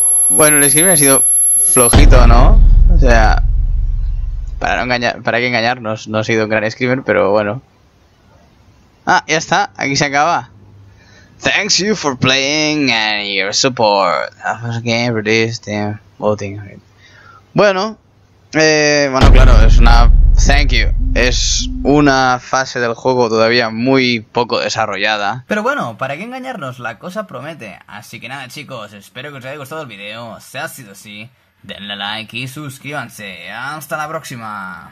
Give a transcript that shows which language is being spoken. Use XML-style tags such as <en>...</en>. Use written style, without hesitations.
<es>Bueno, el screamer ha sido flojito, ¿no? O sea, para no engañar, para qué engañarnos, no ha sido un gran screamer, pero bueno. Ah, ya está, aquí se acaba.</es> <en>Thanks you for playing and your support. That was game for this team.</en> <es>Voting. Bueno, bueno, claro, es una</es> <en>thank you.</en> <es>Es una fase del juego todavía muy poco desarrollada. Pero bueno, ¿para qué engañarnos? La cosa promete. Así que nada, chicos, espero que os haya gustado el video. Si ha sido así, denle like y suscríbanse. ¡Hasta la próxima!</es>